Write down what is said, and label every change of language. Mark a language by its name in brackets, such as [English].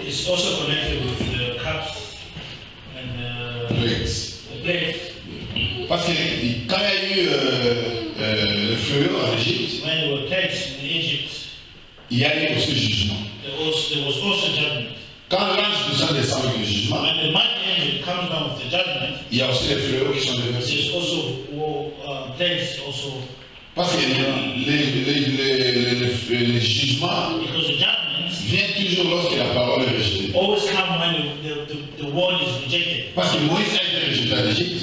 [English] It's also connected with the cups and the plates. [French] Parce que quand il y a eu le fléau en Égypte, [English] when there were plagues in Egypt, [French] il y a eu aussi le jugement. [English] There was also judgment. [French] Quand l'ange du Saint descend avec le jugement, [English] when the mighty angel comes down with the judgment, [French] il y a aussi les fléaux qui sont déversés. [English] There's also plagues also. [French] Parce que les jugements, [English] because the judgments [French] vient toujours lorsque la parole est rejetée. [English] Always come when the word is rejected. [French] Parce que Moïse a été rejeté en Égypte.